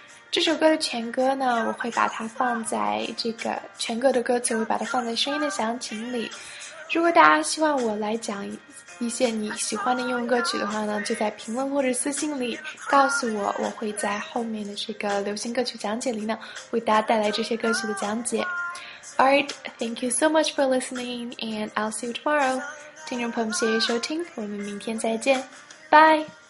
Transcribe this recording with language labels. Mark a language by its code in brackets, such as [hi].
[zh] 这首歌的全歌呢，我会把它放在这个全歌的歌词，我会把它放在声音的详情里。如果大家希望我来讲一些你喜欢的英文歌曲的话呢，就在评论或者私信里告诉我，我会在后面的这个流行歌曲讲解里呢，为大家带来这些歌曲的讲解。 [en] Alright, thank you so much for listening, and I'll see you tomorrow. [zh] 听众朋友们，谢谢收听，我们明天再见 ，Bye。